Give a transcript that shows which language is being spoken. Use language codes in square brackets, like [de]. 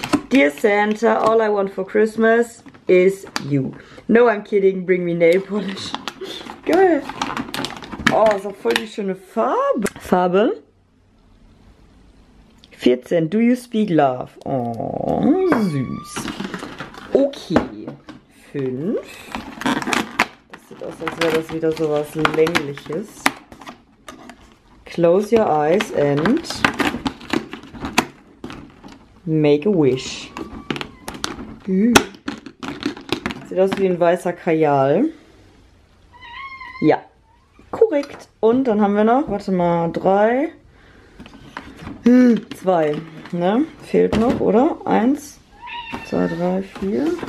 [en] Dear Santa, all I want for Christmas is you. No, I'm kidding. Bring me nail polish. [de] Geil. Oh, ist auch voll die schöne Farbe. Farbe. [en] 14. Do you speak love? [de] Oh, süß. [en] Okay. 5. [de] Das sieht aus, als wäre das wieder sowas Längliches. [en] Close your eyes and make a wish. [de] Sieht aus wie ein weißer Kajal. Ja. Korrekt. Und dann haben wir noch, warte mal, 3. 2, ne? Fehlt noch, oder? 1, 2, 3, 4.